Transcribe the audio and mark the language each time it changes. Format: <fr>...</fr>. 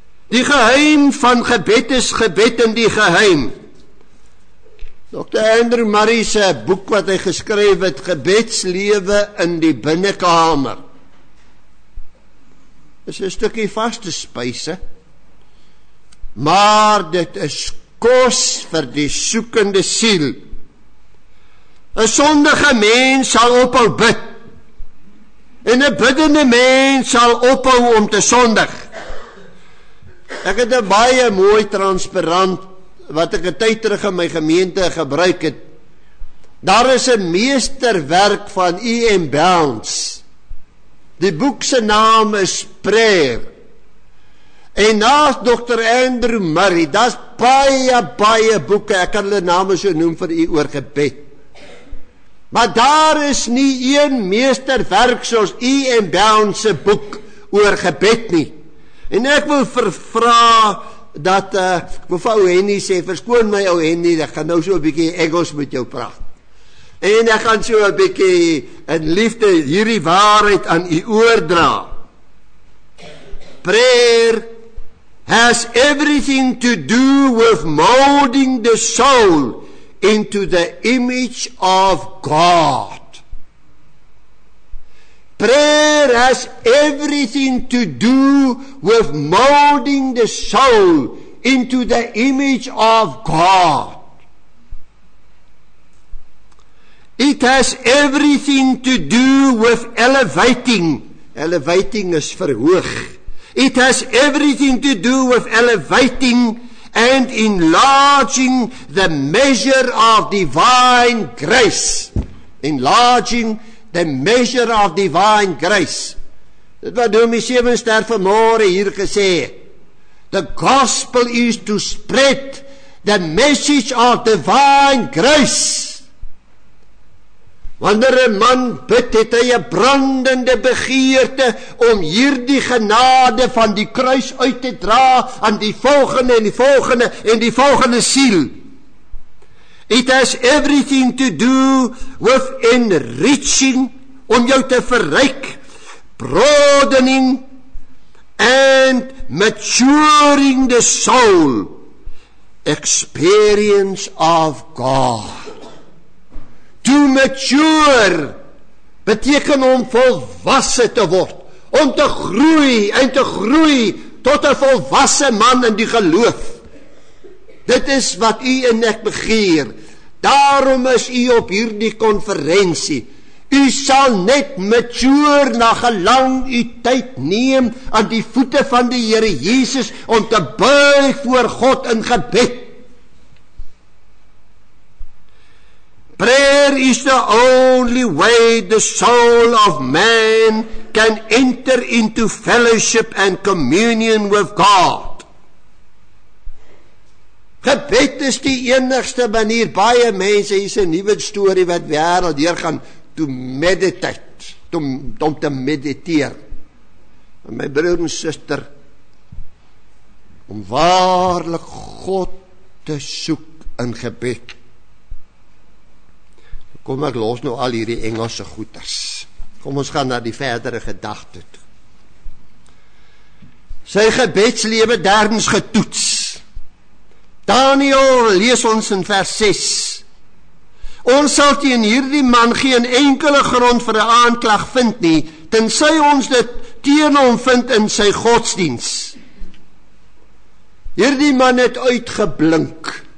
<af>Die geheim van gebed is gebed in die geheim. Dr. Andrew Murray se boek wat hy geskryf het, Gebedslewe in die binnekamer. Is 'n stukkie vaste spyse, maar dit is kos vir die soekende siel. 'N sondige mens sal ophou bid. En 'n biddende mens sal ophou om te sondig. Ek het 'n baie mooi transparant wat ek 'n tyd terug in my gemeente gebruik het. Daar is 'n meesterwerk van E.M. Bounds. Die boek se naam is Prayer. En naast Dr. Andrew Murray, daar's baie boeke, ek kan hulle name so noem vir u oor gebed. Maar daar is nie een meesterwerk soos E.M. Bounds se boek oor gebed nie. En ek wil vra dat mevrou Henny sê, verskoon my ou Henny, ek gaan nou so 'n bietjie Engels met jou praat. En ek gaan so 'n bietjie in liefde hierdie waarheid aan u oordra.</af> <en>Prayer has everything to do with molding the soul into the image of God. Prayer has everything to do with molding the soul into the image of God. It has everything to do with elevating. Elevating</en> <af>is verhoog.</af> <en>It has everything to do with elevating and enlarging the measure of divine grace. Enlarging the measure of divine grace.</en> <af>Dit wat Domi 7 ster vanmôre hier gesê.</af> <en>The gospel is to spread the message of divine grace.</en> <af>Wanneer 'n man bid, het hy 'n brandende begeerte om hierdie genade van die kruis uit te dra aan die volgende en die volgende en die volgende siel.</af> <en>It has everything to do with enriching,</en> <af>om jou te verryk,</af> <en>broadening and maturing the soul, experience of God. To mature</en> <af>beteken om volwasse te word, om te groei en te groei tot 'n volwasse man in die geloof. Dit is wat u en ek begeer. Daarom is u op hierdie konferensie. U sal net mature na gelang u tyd neem aan die voete van die Here Jesus om te buig voor God in gebed.</af> <en>Prayer is the only way the soul of man can enter into fellowship and communion with God.</en> <af>Gebed is die enigste manier. Baie mense, hier is 'n nuwe storie wat wêreld deurgaan.</af> <en>to meditate,</en> <af>om te mediteer. En my broer en suster, om waarlik God te soek in gebed. Kom, ek los nou al hierdie Engelse goeders. Kom, ons gaan na die verdere gedagte toe. Sy gebedslewe derdens getoets. Daniel lees ons in vers 6. Ons sal teen hierdie man geen enkele grond vir 'n aanklag vind nie, tensy ons dit teen hom vind in sy godsdiens. Hierdie man het uitgeblink.</af>